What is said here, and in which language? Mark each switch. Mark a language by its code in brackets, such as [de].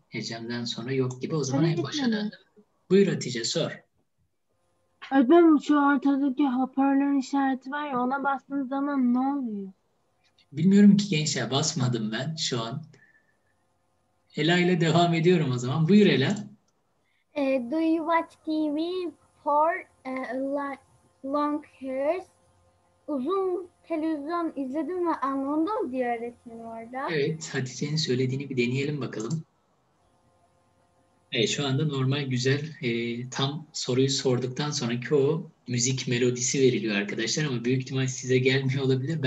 [tr] Ecem'den sonra yok gibi. O zaman en başa döndüm. Buyur Hatice, sor. Ben şu ortadaki hoparlör işareti var ya, ona bastığın zaman ne oluyor? Bilmiyorum ki gençler, basmadım ben şu an. Ela ile devam ediyorum o zaman. Buyur Ela. [en] Do you watch TV for long hours? [tr] Uzun televizyon izledim ve anlamında mı diye öğretmenim orada? Evet, Hatice'nin söylediğini bir deneyelim bakalım. Evet, şu anda normal güzel tam soruyu sorduktan sonraki o müzik melodisi veriliyor arkadaşlar ama büyük ihtimal size gelmiyor olabilir.